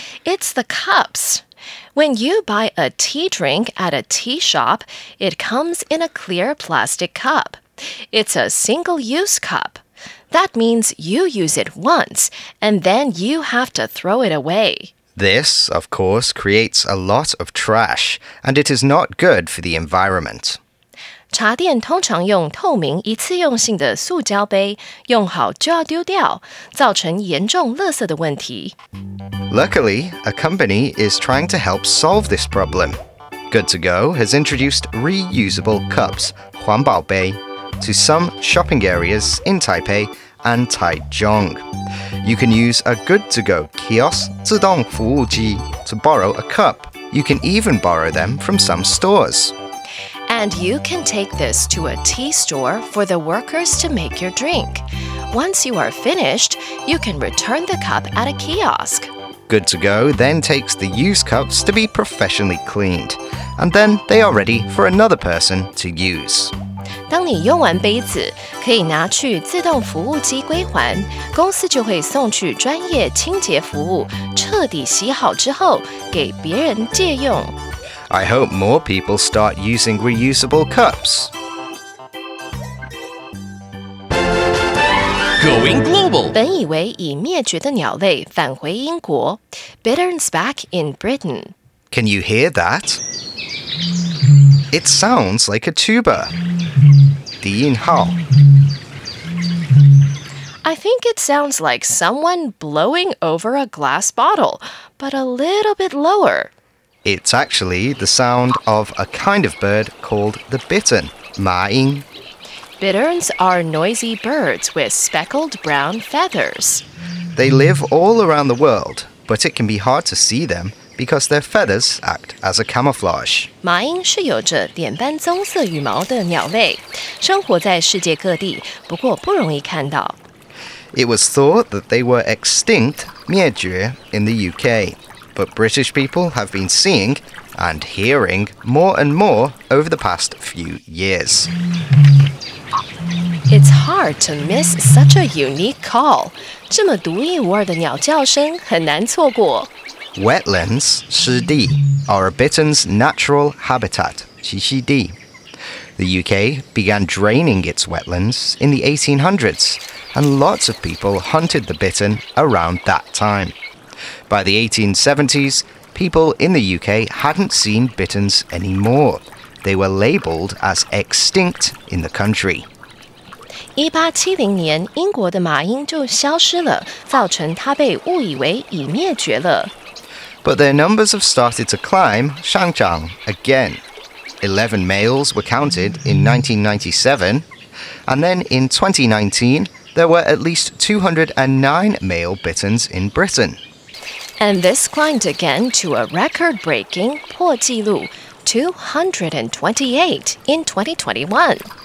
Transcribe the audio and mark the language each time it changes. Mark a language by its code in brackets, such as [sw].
[en] It's the cups. When you buy a tea drink at a tea shop, it comes in a clear plastic cup. It's a single-use cup. That means you use it once, and then you have to throw it away. This, of course, creates a lot of trash, and it is not good for the environment. [zh] 茶店通常用透明一次用性的塑胶杯，用好就要丢掉，造成严重垃圾的问题。 [en] Luckily, a company is trying to help solve this problem. GoodtoGo has introduced reusable cups, 環保杯, to some shopping areas in Taipei and Taichung. You can use a GoodtoGo kiosk 自動服務機 to borrow a cup. You can even borrow them from some stores. And you can take this to a tea store for the workers to make your drink. Once you are finished, you can return the cup at a kiosk. GoodtoGo then takes the used cups to be professionally cleaned, and then they are ready for another person to use. [zh] 当你用完杯子，可以拿去自动服务机归还，公司就会送去专业清洁服务，彻底洗好之后给别人借用。 [en] I hope more people start using reusable cups. Going global. [zh] 本以为已灭绝的鸟类返回英国 Bitterns back in Britain. [en] Can you hear that? It sounds like a tuba. 低音号 I think it sounds like someone blowing over a glass bottle, but a little bit lower. It's actually the sound of a kind of bird called the bittern, 麻鷺. Bitterns are noisy birds with speckled brown feathers. They live all around the world, but it can be hard to see them because their feathers act as a camouflage. [zh] 麻鷺是有著點斑棕色羽毛的鳥類，生活在世界各地，不過不容易看到。 [en] It was thought that they were extinct, 滅絕, in the UK. But British people have been seeing and hearing more and more over the past few years. It's hard to miss such a unique call. [zh] 这么独一无二的鸟叫声很难错过。 [en] Wetlands, 湿地, are a bittern's natural habitat, 栖息地. The UK began draining its wetlands in the 1800s, and lots of people hunted the bittern around that time. By the 1870s, people in the UK hadn't seen bitterns anymore. They were labelled as extinct in the country. [zh] 1870年，英国的麻鷺就消失了，造成它被误以为已灭绝了。 [en] But their numbers have started to climb, 上涨, again. 11 males were counted in 1997, and then in 2019, there were at least 209 male bitterns in Britain. And this climbed again to a record-breaking 破纪录 228 in 2021.